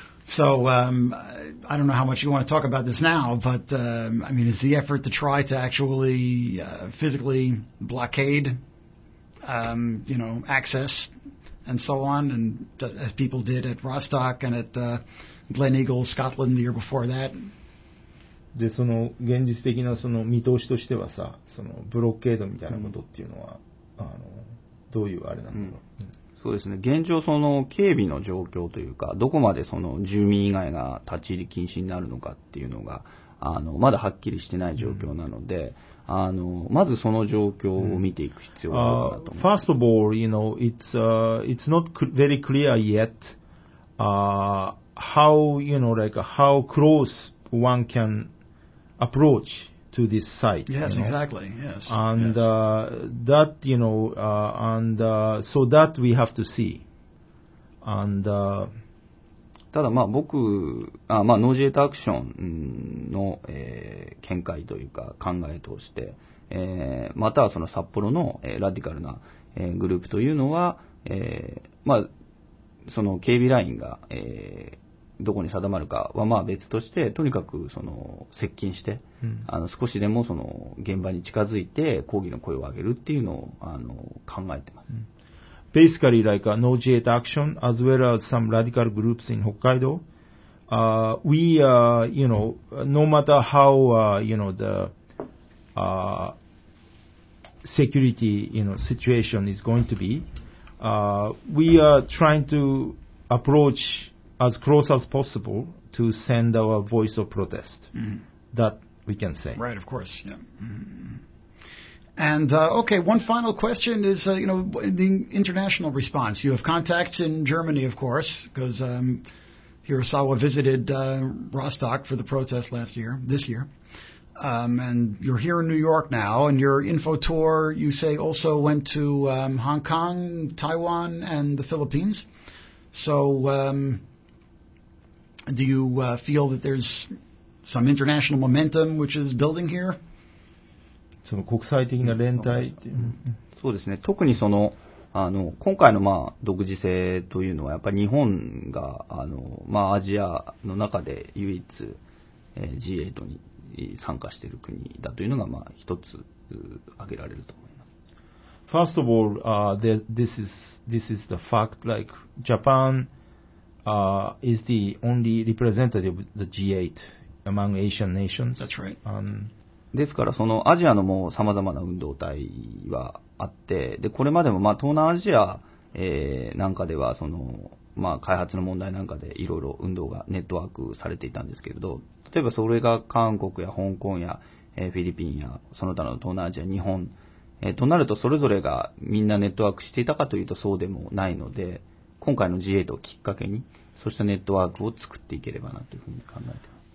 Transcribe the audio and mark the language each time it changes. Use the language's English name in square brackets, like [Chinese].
[English] So, I don't know how much you want to talk about this now, but, I mean, is the effort to try to actually physically blockade access and so on, and as people did at Rostock and at Glen Eagle, Scotland the year before that. [Japanese] で、その現実的なその見通しとしてはさ、そのブロッケードみたいなことっていうのは、うん、どういうあれなんだろう、うん、そうですね、現状その警備の状況というか、どこまでその住民以外が立ち入り禁止になるのかっていうのがまだはっきりしてない状況なので、うん、まずその状況を見ていく必要があるかなと思います。 [English] First of all, you know, it's not very clear yet how, you know, like how close one can approach to this site. Yes, you know? Exactly, yes. And yes. That, you know, and so that we have to see. And [Japanese] ただまあ僕、まあノージェートアクションの、見解というか考えとして、またはその札幌の、ラディカルな、グループというのは、まあその警備ラインが、どこに定まるかはまあ別として、とにかくその接近して、うん、少しでもその現場に近づいて抗議の声を上げるっていうのを考えてます。うん、 [English] Basically, like No Jet Action, as well as some radical groups in Hokkaido, we, you know, no matter how, you know, the security, you know, situation is going to be, we are trying to approach as close as possible to send our voice of protest. Mm-hmm. That we can say. Right, of course, yeah. Mm-hmm. And, okay, one final question is, you know, the international response. You have contacts in Germany, of course, because Hirasawa visited Rostock for the protest last year, this year. And you're here in New York now, and your info tour, you say, also went to Hong Kong, Taiwan, and the Philippines. So do you feel that there's some international momentum which is building here? [Japanese] その国際的な連帯、そうですね、特にその今回のまあ独自性というのは、やっぱり日本がまあアジアの中で唯一、G8 に参加している国だというのが、まあ一つ挙げられると思います。 [English] First of all, this is the fact, like Japan is the only representative of the G8 among Asian nations. That's right. [Japanese] ですから、そのアジアのもう様々な運動体はあって、で、これまでも、まあ、東南アジア、なんかでは、その、まあ、開発の問題なんかで、いろいろ運動がネットワークされていたんですけれど、例えばそれが韓国や香港や、フィリピンや、その他の東南アジア、日本、となると、それぞれがみんなネットワークしていたかというと、そうでもないので、今回の G8 をきっかけに、そうしたネットワークを作っていければなというふうに考えています。